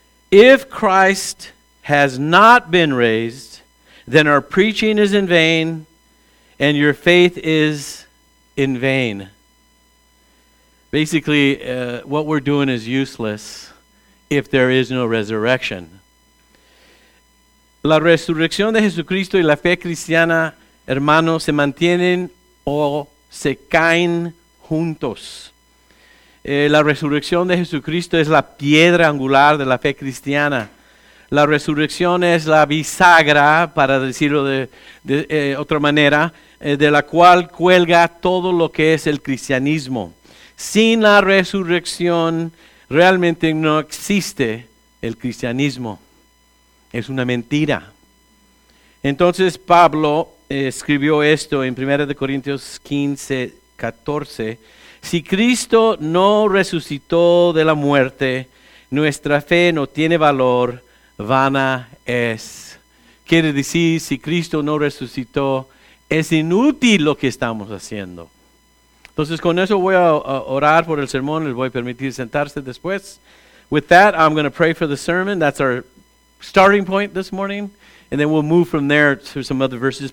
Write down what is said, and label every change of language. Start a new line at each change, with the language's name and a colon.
English: If Christ has not been raised, then our preaching is in vain, and your faith is in vain. Basically, what we're doing is useless if there is no resurrection.
Spanish: La resurrección de Jesucristo y la fe cristiana, hermanos, se mantienen o se caen juntos. La resurrección de Jesucristo es la piedra angular de la fe cristiana. La resurrección es la bisagra, para decirlo de otra manera, de la cual cuelga todo lo que es el cristianismo. Sin la resurrección, realmente no existe el cristianismo. Es una mentira. Entonces Pablo escribió esto en 1 Corintios 15, 14. Si Cristo no resucitó de la muerte, nuestra fe no tiene valor, vana es. Quiere decir, si Cristo no resucitó, es inútil lo que estamos haciendo. Entonces con eso voy a orar por el sermón, les voy a permitir sentarse después.
English: With that, I'm going to pray for the sermon. That's our starting point this morning, and then we'll move from there to some other verses.